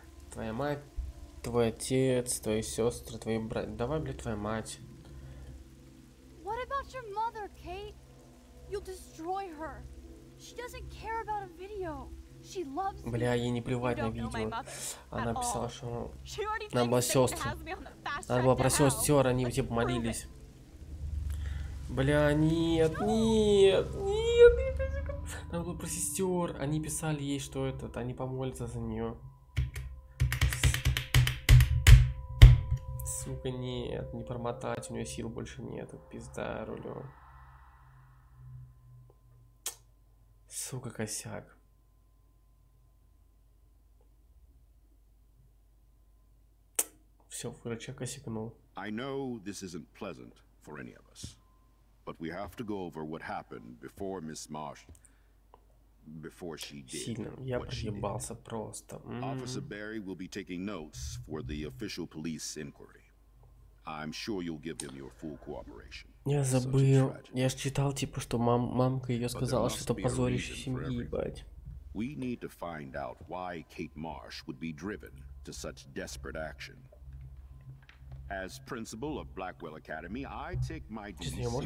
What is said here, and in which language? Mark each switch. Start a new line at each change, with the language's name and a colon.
Russian: Твоя мать, твой отец, твои сестры, твои братья. Давай, блядь, твоя мать.
English: What about your mother, Kate? You'll destroy her. She doesn't care about a video. She loves you.
Russian: Бля, ей не плевать на видео. Она писала, что она была сестра. Она была про сестер, они все помолились. Бля, нет, нет, нет, нет, нет. Она была про сестер. Они писали ей, что этот, они помолятся за нее. Сука, нет, не промотать, у нее сил больше нет. Пизда рулю. Сука, косяк. Все, врача косякнул.
English: I know this isn't pleasant for any of us. But we have to go over what happened before Miss Marsh... Before she did
Russian: Сильно. Я
English: what she did.
Russian: Просто.
English: Officer Barry will be taking notes for the official police inquiry. I'm sure you'll give him your full cooperation.
Russian: Я забыл. Я ж читал, типа, что мамка ее сказала, что это позорище семьи, ебать.
English: Kate Marsh would be driven to such desperate action. As principal of Blackwell Academy, I take my duty seriously.